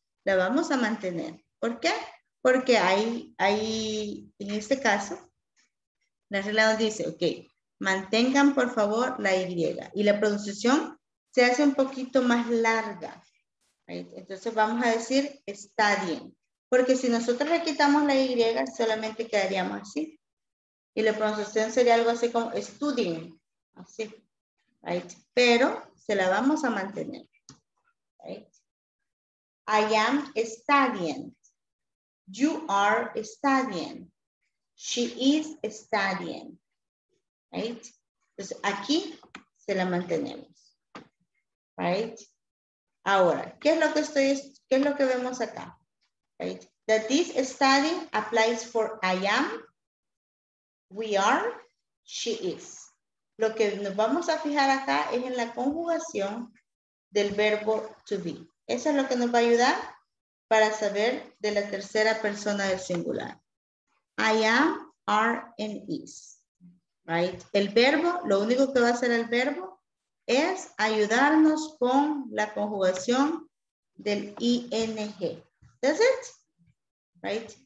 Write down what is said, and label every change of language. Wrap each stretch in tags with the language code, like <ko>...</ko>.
<es>La vamos a mantener. ¿Por qué? Porque hay en este caso, la regla nos dice, ok, mantengan por favor la Y y la pronunciación se hace un poquito más larga, right? Entonces vamos a decir studying, porque si nosotros le quitamos la Y solamente quedaríamos así y la pronunciación sería algo así como studying, así, right? Pero se la vamos a mantener, right?</es> <en>I am studying, you are studying, she is studying.</en> <es>Right? Entonces aquí se la mantenemos. Right? Ahora, ¿qué es lo que vemos acá? Right?</es> <en>That this study applies for I am, we are, she is.</en> <es>Lo que nos vamos a fijar acá es en la conjugación del verbo to be. Eso es lo que nos va a ayudar para saber de la tercera persona del singular.</es> <en>I am, are, and is. Right.</en> <es>El verbo, lo único que va a hacer el verbo es ayudarnos con la conjugación del ing.</es> <en>That's it.</en> <es>Right.</es>